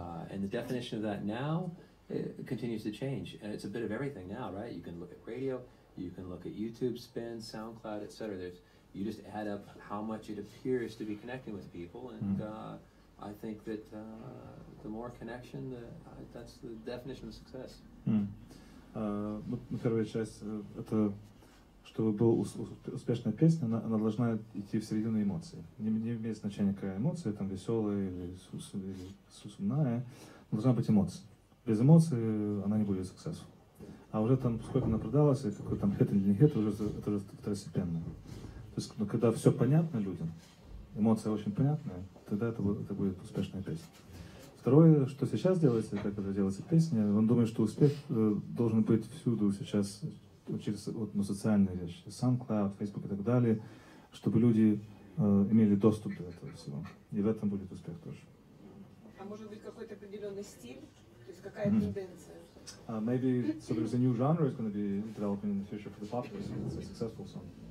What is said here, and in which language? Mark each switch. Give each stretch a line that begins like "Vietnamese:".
English: And the definition of that now, it continues to change. It's a bit of everything now, right? You can look at radio, you can look at YouTube spin, SoundCloud, etc. You just add up how much it appears to be connecting with people, and I think that the more connection, that's the definition of success.
Russian: Первая часть, это чтобы была успешная песня, она должна идти в середину эмоций. Не имеет значения, какая эмоция, там веселая или сумная, но должна быть эмоция. Без эмоций она не будет successful. А уже там, сколько она продалась, и какой там hit или не hit, это уже второстепенно. То есть, ну, когда все понятно людям, эмоция очень понятная, тогда это будет успешная песня. Второе, что сейчас делается, как это делается песня, он думает, что успех должен быть всюду сейчас, через социальные вещи, SoundCloud, Facebook и так далее, чтобы люди имели доступ до этого всего. И в этом будет успех тоже. А может быть какой-то определенный стиль? Какая тенденция?
English: Maybe, so there's a new genre is going to be developing in the future for the popular, so it's a successful song.